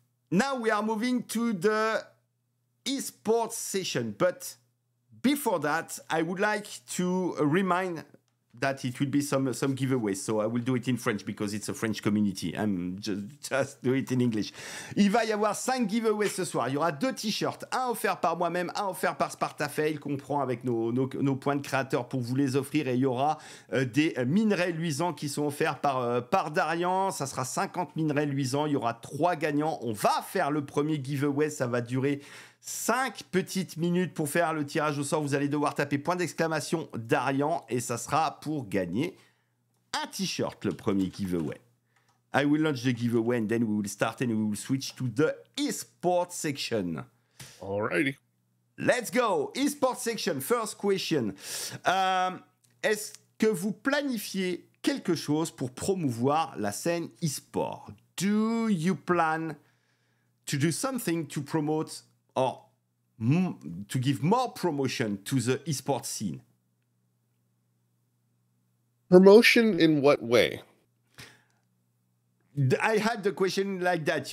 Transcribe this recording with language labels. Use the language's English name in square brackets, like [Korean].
[English] Now we are moving to the esports session. But before that, I would like to remind that it will be some giveaways. So I will do it in French because it's a French community. I'm just do it in English. [French] Il va y avoir 5 giveaways ce soir. Il y aura 2 t-shirts, un offert par moi-même, un offert par Spartafail, qu'on prend avec nos points de créateurs pour vous les offrir. Et il y aura des minerais luisants qui sont offerts par Darian. Ça sera 50 minerais luisants. Il y aura 3 gagnants. On va faire le premier giveaway. Ça va durer 5 petites minutes pour faire le tirage au sort. Vous allez devoir taper point d'exclamation Darian et ça sera pour gagner un t-shirt, le premier giveaway. [English] I will launch the giveaway and then we will start and we will switch to the esports section. Alrighty. Let's go. Esports section, first question. [French] Est-ce que vous planifiez quelque chose pour promouvoir la scène esport? [English] Do you plan to do something to promote or to give more promotion to the esports scene? Promotion in what way? I had the question like that.